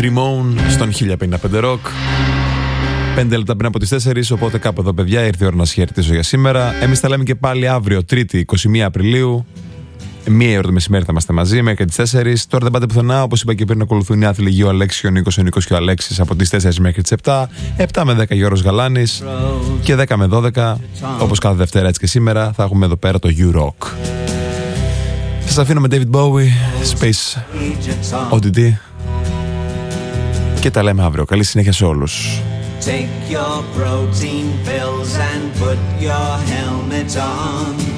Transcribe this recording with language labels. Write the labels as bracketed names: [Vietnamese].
[Greek] Dream On στον 1055 Rock. 5 λεπτά πριν από τις 4, οπότε κάπου εδώ, παιδιά, ήρθε η ώρα να σας χαιρετήσω για σήμερα. Εμείς τα λέμε και πάλι αύριο, Τρίτη, 21 Απριλίου. Μία ώρα το μεσημέρι θα είμαστε μαζί μέχρι τις 4. Τώρα δεν πάτε πουθενά, όπως είπα και πριν, ακολουθούν οι άθλοι γύρω Αλέξη, ο Νίκος, ο Νίκος και ο Αλέξης από τις 4 μέχρι τις 7. 7 με 10 Γιώργος Γαλάνης και 10 με 12, όπως κάθε Δευτέρα έτσι και σήμερα, θα έχουμε εδώ πέρα το U-Rock. Θα σας αφήνω με David Bowie, Space ODD. Και τα λέμε αύριο. Καλή συνέχεια σε όλους. [English] Take your protein pills and put your helmet on.